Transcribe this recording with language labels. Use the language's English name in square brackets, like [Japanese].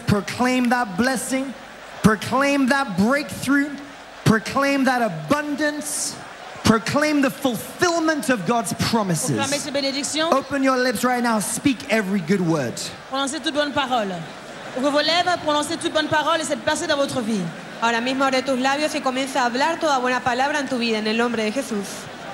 [English] Proclaim that blessing, proclaim that breakthrough, proclaim that abundance, proclaim the fulfillment of God's promises. Open your lips right now, speak every good word. [French] Prononcez toute bonne parole. Ouvrez vos lèvres, prononcez toute bonne parole et cette percée dans votre vie. [Spanish] Ahora mismo abre tus labios y comienza a hablar toda buena palabra en tu vida, en el nombre de Jesús.